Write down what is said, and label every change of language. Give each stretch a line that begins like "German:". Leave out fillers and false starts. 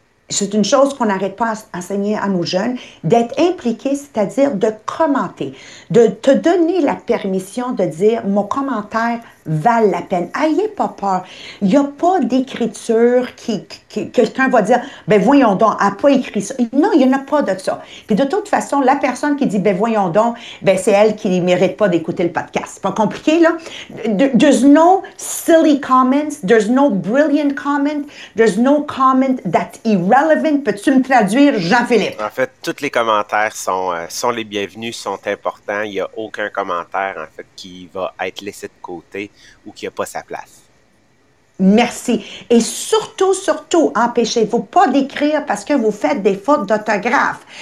French: C'est une chose qu'on n'arrête pas à enseigner à nos jeunes, d'être impliqué, c'est-à-dire de commenter, de te donner la permission de dire « mon commentaire vaut la peine ». Ayez pas peur. Il n'y a pas d'écriture qui quelqu'un va dire « ben voyons donc, elle n'a pas écrit ça ». Non, il n'y en a pas de ça. Puis de toute façon, la personne qui dit « ben voyons donc », ben c'est elle qui ne mérite pas d'écouter le podcast. C'est pas compliqué, là.
English: There's no silly comments, there's no brilliant comment, there's no comment that's irrelevant.
French: Peux-tu me traduire, Jean-Philippe? En fait, tous les commentaires sont les bienvenus, sont importants. Il n'y a aucun commentaire, en fait, qui va être laissé de côté ou qui n'a pas sa place. Merci. Et surtout, surtout, empêchez-vous pas d'écrire parce que vous faites des fautes d'orthographe.